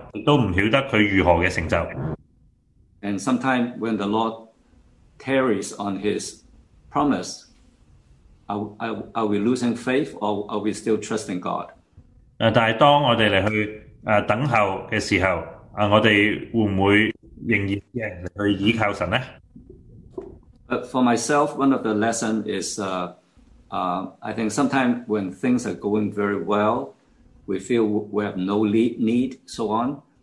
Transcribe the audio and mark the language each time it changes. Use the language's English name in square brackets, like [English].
[Chinese] 当然我们不晓得是神要几时的成就，都不晓得他如何的成就。 [English] And sometimes when the Lord tarries on his promise, are we losing faith or are we still trusting God? [Chinese] 但是当我们来去等候的时候，我们会不会仍然去依靠神呢？ [English] But for myself, one of the lessons is I think sometimes when things are going very well, we feel we have no need, so on.